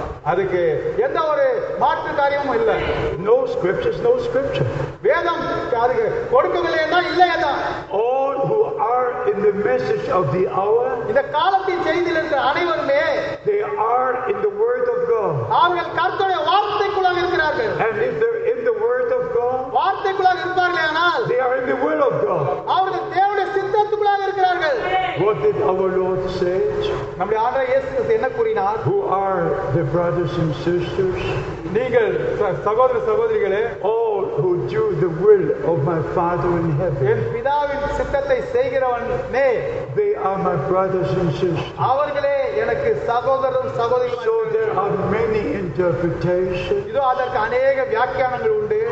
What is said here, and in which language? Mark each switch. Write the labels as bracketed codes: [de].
[ta] அதுக்கு எந்த ஒரு மாற்று காரியமும் இல்ல. [en] No scriptures, no scripture. [ta] வேதம் அதுக்கு கொடுக்கவில்லைனா இல்லையே தான். [en] All who are in the message of the hour, [ta] இந்த காலத்தின் செய்தியில் இருக்கிற அனைவருமே, [en] they are in the word of God. [ta] அவர்கள் கர்த்தருடைய வார்த்தைக்குள்ளாக இருக்கிறார்கள். [en] And if they're in the word of God, [ta] வார்த்தைக்குள்ளாக இருப்பார்களானால், [en] they are in the will of God. [ta] அவர்கள் தேவனுடைய சித்தத்துக்குள்ளாக இருக்கிறார்கள். [en] What did our Lord say? [ta] நம்முடைய ஆண்டவர் இயேசு கிறிஸ்து என்ன கூறினார்? [en] Who are the brothers and sisters? [ta] நீங்கள் சகோதர சகோதரிகளே. [en] All who do the will of my Father in heaven. [ta] என் பிதாவின் சித்தத்தை செய்கிறவனே. [en] They are my brothers and sisters. [ta] அவர்களே எனக்கு சகோதரரும் சகோதரிகளும். [en] So there are many interpretations. [ta] இதோ அதற்கு அநேக வியாக்கியானங்கள் உண்டு.